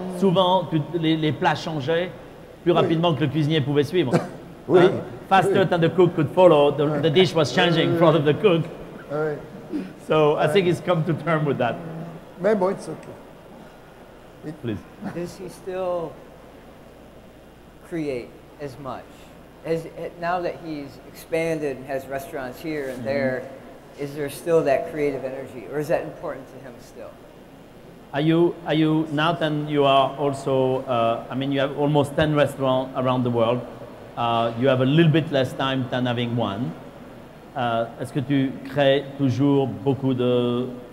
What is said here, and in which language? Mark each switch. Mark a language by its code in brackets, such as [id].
[fr] Souvent, les plats changeaient plus rapidement que le cuisinier pouvait suivre. Oui. Hein? [en] Faster than the cook could follow, the dish was changing in front of the cook. So I think he's come to terms with that. Maybe it's okay. Please. Does he still create as much? Now that he's expanded and has restaurants here and there, is there still that creative energy, or is that important to him still? Are you now then you are also, you have almost 10 restaurants around the world. You have a little bit less time than having one. [fr] Est-ce que tu crées toujours beaucoup de...